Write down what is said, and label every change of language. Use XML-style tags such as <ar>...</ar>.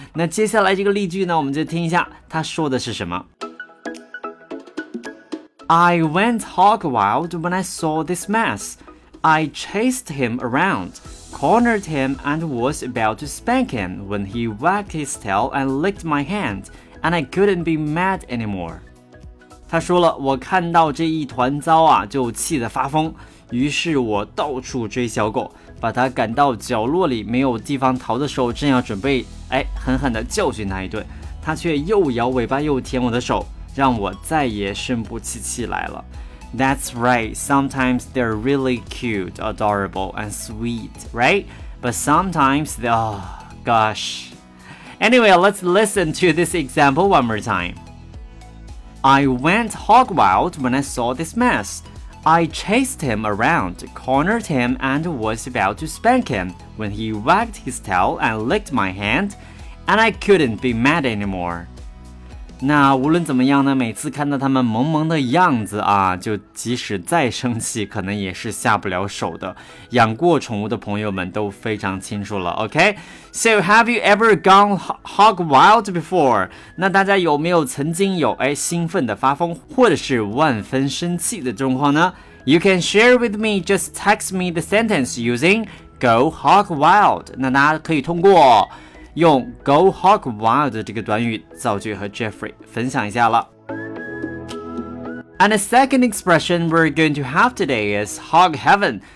<zh>那接下来这个例句呢，我们就听一下他说的是什么。</zh> <en>I went hog wild when I saw this mess. I chased him around, cornered him, and was about to spank him when he wagged his tail and licked my hand, and I couldn't be mad anymore.</en> <zh>他说了，我看到这一团糟啊，就气得发疯，于是我到处追小狗，把它赶到角落里没有地方逃的时候，正要准备狠狠地教训他一顿，他却又摇尾巴又舔我的手，让我再也生不起气来了。</zh> <en>That's right, sometimes they're really cute, adorable, and sweet, right? But sometimes they, oh gosh. Anyway, let's listen to this example one more time. I went hog wild when I saw this mess. I chased him around, cornered him, and was about to spank him when he wagged his tail and licked my hand, and I couldn't be mad anymore.</en> <zh>那无论怎么样呢，每次看到他们萌萌的样子啊，就即使再生气可能也是下不了手的，养过宠物的朋友们都非常清楚了。</zh> <en>OK, so have you ever gone hog wild before?</en> <zh>那大家有没有曾经有兴奋的发疯或者是万分生气的状况呢？</zh> <en>You can share with me, just text me the sentence using Go Hog Wild.</en> <zh>那大家可以通过用 Go Hog Wild 这个短语造句和 Jeffrey 分享一下了。</zh> <en>And the second expression we're going to have today is Hog Heaven.</en>